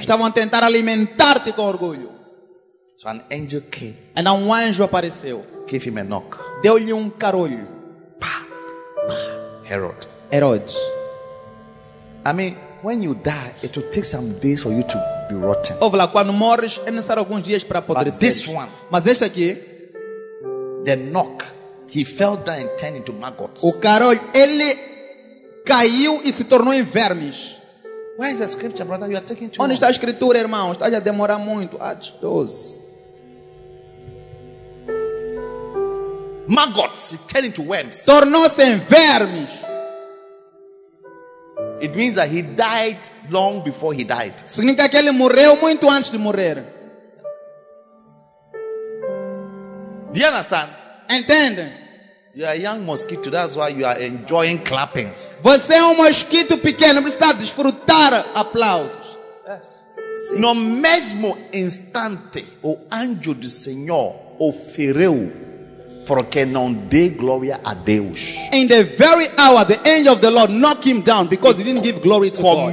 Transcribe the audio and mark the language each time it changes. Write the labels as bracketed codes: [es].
[pt] Estavam tentar alimentar-te com orgulho. [en] So an angel came. And [pt] um anjo apareceu. [en] Gave him a knock. [pt] Deu-lhe carolho. [en] Herod. [pt] Herod. [en] I mean, when you die, it will take some days for you to be rotten. [pt] Ouve lá, quando morres, é necessário alguns dias para apodrecer. [en] But this one. [pt] Mas este aqui. [en] The knock. He fell down and turned into maggots. [pt] O carolho, ele caiu e se tornou em vermes. [en] Where is the scripture, brother? You are taking too [pt] onde está a escritura, irmão? Está a demorar muito. Atos 12. [en] Maggots, it turned into worms. [pt] Tornou-se em vermes. [en] It means that he died long before he died. [pt] Significa que ele morreu muito antes de morrer. [en] Do you understand? [pt] Entende? [en] You are a young mosquito, that's why you are enjoying clappings. [pt] Você é mosquito pequeno, você está a desfrutar aplausos. [en] Yes. [pt] No mesmo instante, o anjo do Senhor ofereceu porque não dê glória a Deus. [en] In the very hour, the angel of the Lord knocked him down because he didn't give glory to God.